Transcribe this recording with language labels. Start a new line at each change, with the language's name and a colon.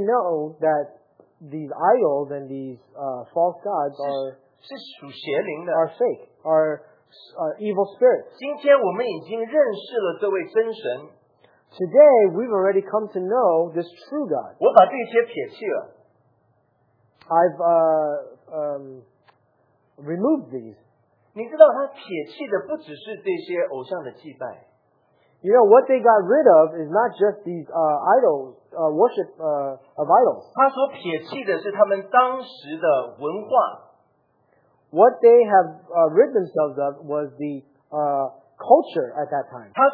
English: know that these idols and these false gods are fake, are evil spirits.
Chinese: 今天我们已经认识了这位真神。
English: Today, we've already come to know this true God. I've removed these.
Chinese: 你知道他撇弃的不只是这些偶像的祭拜。
English: You know, what they got rid of is not just these worship of idols.
Chinese: 他所撇弃的是他们当时的文化。
English: What they have rid themselves of was the culture at that time.